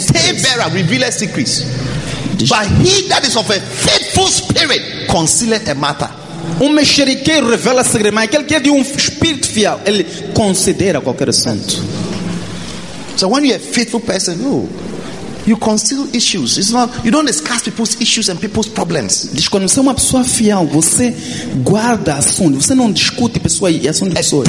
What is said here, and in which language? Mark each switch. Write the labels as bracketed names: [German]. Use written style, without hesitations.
[English] a tale bearer reveals secrets, but he that is of a faithful spirit concealeth a matter. [Portuguese] Um mexeriqueiro revela segredo, mas aquele que é de espírito fiel, ele considera qualquer assunto. [English] So when you're a faithful person, you conceal issues. It's not, you don't discuss people's issues and people's problems. [Portuguese] Diz, quando você é uma pessoa fiel, você guarda assunto. Você não discute pessoa e assunto de pessoas.